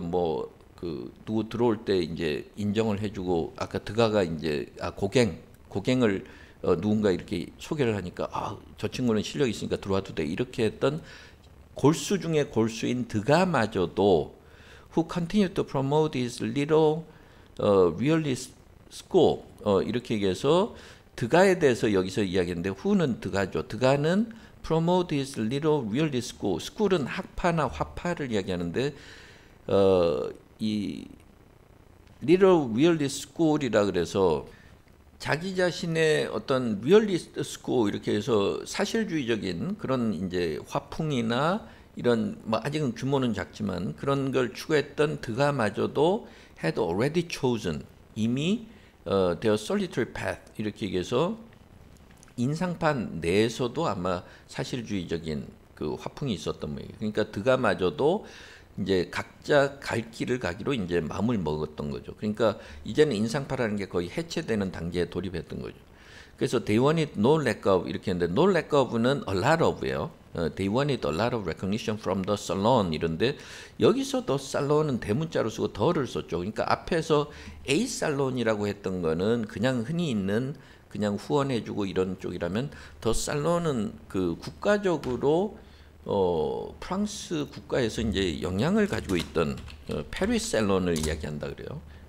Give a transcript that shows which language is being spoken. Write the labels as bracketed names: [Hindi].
[Korean] 뭐그 누구 들어올 때 이제 인정을 해주고 아까 드가가 이제 고갱을 누군가 이렇게 소개를 하니까 아, 저 친구는 실력이 있으니까 들어와도 돼 이렇게 했던 골수 중에 골수인 드가마저도 [English] who continued to promote his little realist school [Korean] 이렇게 얘기해서 드가에 대해서 여기서 이야기했는데 who는 드가죠. 드가는 [English] promote his little realist school. [Korean] school은 학파나 화파를 이야기하는데 이 [English] little realist school [Korean] 이라 그래서 자기 자신의 어떤 realist school 이렇게 해서 사실주의적인 그런 이제 화풍이나 이런 뭐 아직은 규모는 작지만 그런 걸 추구했던 드가마저도 [English] had already chosen [Korean] 이미 [English] their solitary path [Korean] 이렇게 얘기해서 인상판 내에서도 아마 사실주의적인 그 화풍이 있었던 거예요. 그러니까 드가마저도 이제 각자 갈 길을 가기로 이제 마음을 먹었던 거죠. 그러니까 이제는 인상파라는 게 거의 해체되는 단계에 돌입했던 거죠. 그래서 [English] they wanted no lack of [Korean] 이렇게 했는데 [English] no lack of는 a lot of예요. They wanted a lot of recognition from the salon [Korean] 이런데 여기서 [English] the salon은 [Korean] 대문자로 쓰고 [English] the를 [Korean] 썼죠. 그러니까 앞에서 a salon이라고 했던 거는 그냥 흔히 있는 그냥 후원해주고 이런 쪽이라면 the salon은 그 국가적으로 프랑스 국가에서 이제 영향을 가지고 있던 Paris Salon을 이야기한다 그래요.